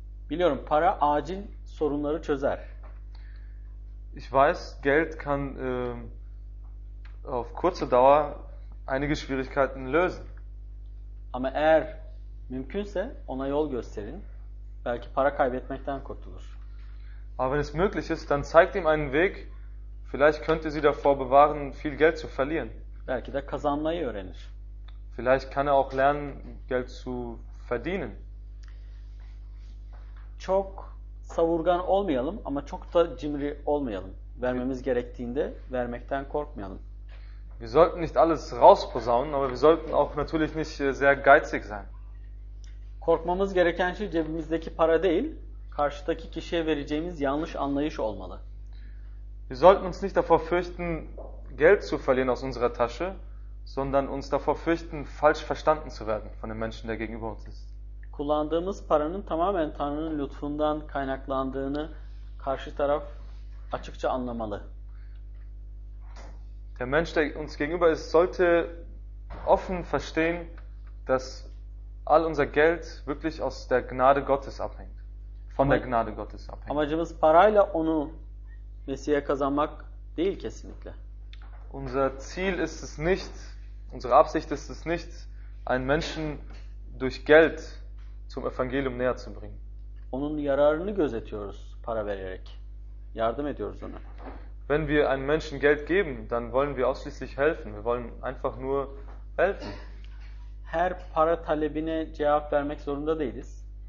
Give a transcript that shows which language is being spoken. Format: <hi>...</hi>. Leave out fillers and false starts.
<tr>Biliyorum, para acil sorunları çözer.</tr> <de>Ich weiß, Geld kann auf kurze Dauer einige Schwierigkeiten lösen.</de> <tr>Ama eğer mümkünse ona yol gösterin. Belki para kaybetmekten kurtulur.</tr> <de>Aber wenn es möglich ist, dann zeigt ihm einen Weg. Vielleicht könnte sie davor bewahren, viel Geld zu verlieren.</de> <tr>Belki de kazanmayı öğrenir.</tr> <de>Vielleicht kann er auch lernen, Geld zu verdienen.</de> <tr>Çok savurgan olmayalım ama çok da cimri olmayalım. Vermemiz gerektiğinde vermekten korkmayalım.</tr> <de>Wir sollten nicht alles rausposaunen, aber wir sollten auch natürlich nicht sehr geizig sein.</de> <tr>Korkmamız gereken şey cebimizdeki para değil, karşıdaki kişiye vereceğimiz yanlış anlayış olmalı.</tr> <de>Wir sollten uns nicht davor fürchten, Geld zu verlieren aus unserer Tasche, sondern uns davor fürchten, falsch verstanden zu werden von den Menschen, der gegenüber uns ist.</de> <tr>Kullandığımız paranın tamamen Tanrı'nın lütfundan kaynaklandığını karşı taraf açıkça anlamalı.</tr> <de>Der Mensch, der uns gegenüber ist, sollte offen verstehen, dass all unser Geld wirklich aus der Gnade Gottes abhängt. Von der Gnade Gottes abhängt.</de> <tr>Amacımız parayla onu Mesih'e kazanmak değil kesinlikle.</tr> <de>Unser Ziel ist es nicht, unsere Absicht ist es nicht, einen Menschen durch Geld zum Evangelium näher zu bringen.</de> <tr>Onun yararını gözetiyoruz para vererek. Yardım ediyoruz ona.</tr> <de>Wenn wir einem Menschen Geld geben, dann wollen wir ausschließlich helfen. Wir wollen einfach nur helfen.</de> <tr>Her para talebine cevap vermek zorunda değiliz.</tr>